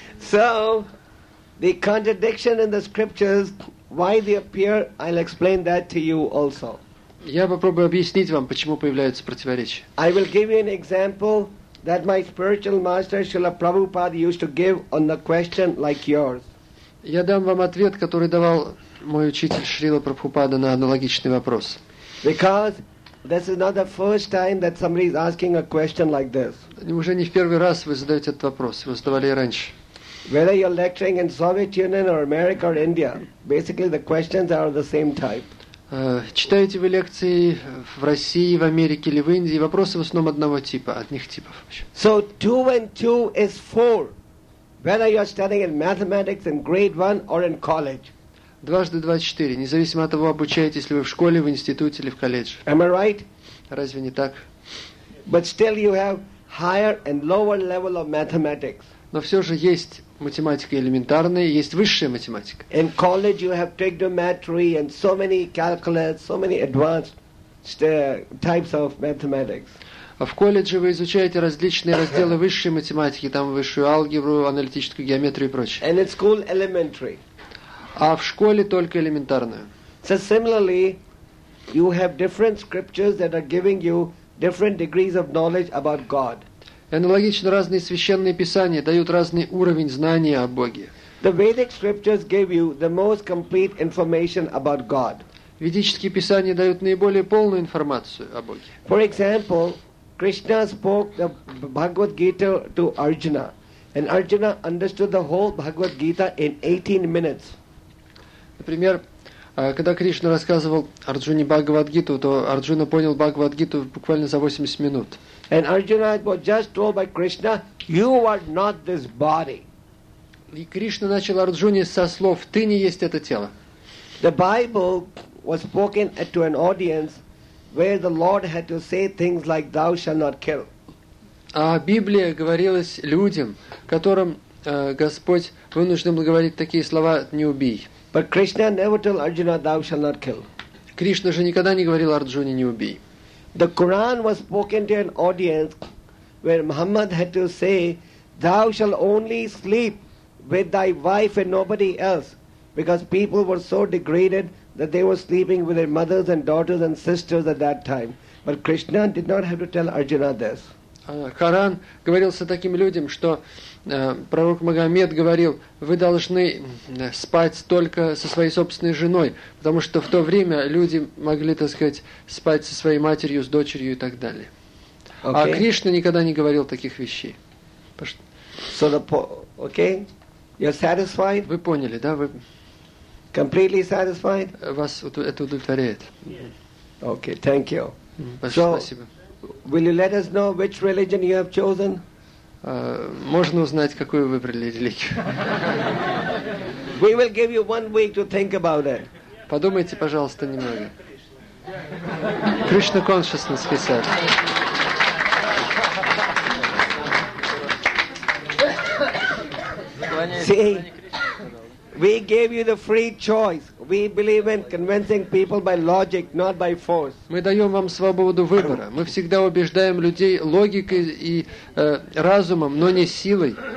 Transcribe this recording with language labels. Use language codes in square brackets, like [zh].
[en] So, the contradiction in the scriptures, why they appear, I'll explain that to you also. [ru] Я попробую объяснить вам, почему появляются противоречия. [en] I will give you an example that my spiritual master Srila Prabhupada used to give on the question like yours. [ru] Я дам вам ответ, который давал мой учитель Шрила Прабхупада на аналогичный вопрос. [en] Because this is not the first time that somebody is asking a question like this. [ru] Уже не в первый раз вы задаете этот вопрос, вы задавали и раньше. [en] Whether you're lecturing in Soviet Union or America or India, basically the questions are the same type. [ru] Читаете вы лекции в России, в Америке или в Индии, вопросы в основном одного типа, одних типов. [en] So 2 and 2 is 4. Whether you're studying in mathematics in grade 1 or in college. [ru] 2×2=4. Независимо от того, обучаетесь ли вы в школе, в институте или в колледже. [en] Am I right? [ru] Разве не так? [en] But still you have higher and lower level of mathematics. [ru] Но все же есть математика элементарная, есть высшая математика. [en] In college you have trigonometry and so many calculus, so many advanced types of mathematics. [ru] А в колледже вы изучаете различные разделы высшей математики, там высшую алгебру, аналитическую геометрию и прочее. [en] And in school elementary. [ru] А в школе только элементарную. [en] So similarly, you have different scriptures that are giving you different degrees of knowledge about God. [ru] Аналогично, разные священные писания дают разный уровень знания о Боге. [en] The Vedic scriptures give you the most complete information about God. [ru] Ведические писания дают наиболее полную информацию о Боге. [en] For example, Krishna spoke the Bhagavad Gita to Arjuna, and Arjuna understood the whole Bhagavad Gita in 18 minutes. [ru] Например, когда Кришна рассказывал Арджуне Бхагавад Гиту, то Арджуна понял Бхагавад Гиту буквально за 80 минут. [en] And Arjuna was just told by Krishna, "You are not this body." [ru] И Кришна начал Арджуне со слов: "Ты не есть это тело." [en] The Bible was spoken to an audience where the Lord had to say things like, "Thou shalt not kill." [ru] А Библия говорилась людям, которым Господь вынужден был говорить такие слова: "Не убий." [en] But Krishna never told Arjuna, "Thou shalt not kill." [ru] Кришна же никогда не говорил Арджуне: "Не убий." [en] The Quran was spoken to an audience where Muhammad had to say, "Thou shalt only sleep with thy wife and nobody else," because people were so degraded that they were sleeping with their mothers and daughters and sisters at that time. But Krishna did not have to tell Arjuna this. [ru] Коран говорился таким людям, что пророк Магомед говорил: вы должны спать только со своей собственной женой, потому что в то время люди могли, так сказать, спать со своей матерью, с дочерью и так далее. [en] Okay. [ru] А Кришна никогда не говорил таких вещей. [en] So the okay? You're satisfied? [ru] Вы поняли, да? Вы... [en] Completely satisfied? [ru] Вас это удовлетворяет. [en] Okay, thank you. [ru] Большое спасибо. [en] Will you let us know which religion you have chosen? [ru] Можно узнать, какую выбрали религию? [en] We will give you 1 week to think about it. [ru] Подумайте, пожалуйста, немного. [en] Krishna consciousness, he said. See, we gave you the free choice. We believe in convincing people by logic, not by force. [ru] Мы даем вам свободу выбора. Мы всегда убеждаем людей логикой и разумом, но не силой.